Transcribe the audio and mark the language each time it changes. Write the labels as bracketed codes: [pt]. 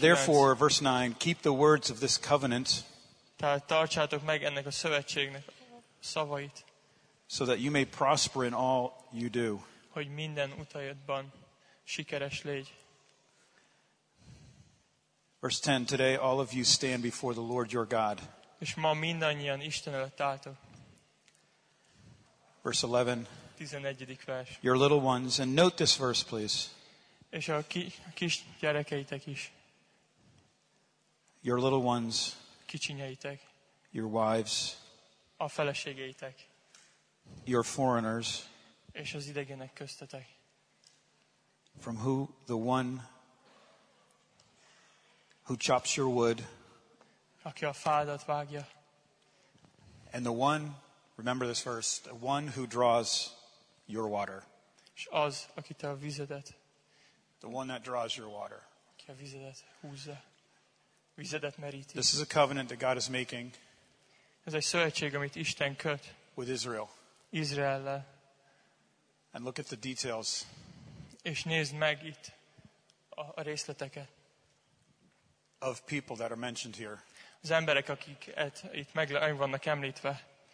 [en] Therefore, verse 9, keep the words of this covenant. [hu] Tehát tartsátok meg ennek a szövetségnek szavait. [en] So that you may prosper in all you do. [hu] Hogy minden utaidban sikeres légy. [en] Verse 10, today all of you stand before the Lord your God. [hu] És ma mindannyian Isten előtt álltok. [en] Verse 11. [hu] 11. vers. [en] Your little ones, and note this verse, please. [hu] És a kis gyerekeitek is. [en] Your little ones. [hu] Kicsinyeitek. [en] Your wives. [hu] A feleségeitek. [en] Your foreigners. [hu] És az idegenek köztetek. [en] From who the one who chops your wood. [hu] Aki a fádat vágja. [en] And the one, remember this verse, the one who draws your water. [hu] És az, aki te a vizedet. [en] The one that draws your water. [hu] Aki a vizedet húzza. Vizedet merít. [en] This is a covenant that God is making. [hu] Ez egy szövetség, amit Isten köt. [en] With Israel. [hu] Izraellel. [en] And look at the details. [hu] És nézd meg itt a részleteket. [en] Of people that are mentioned here. [hu] Az emberek, akik itt meg vannak említve.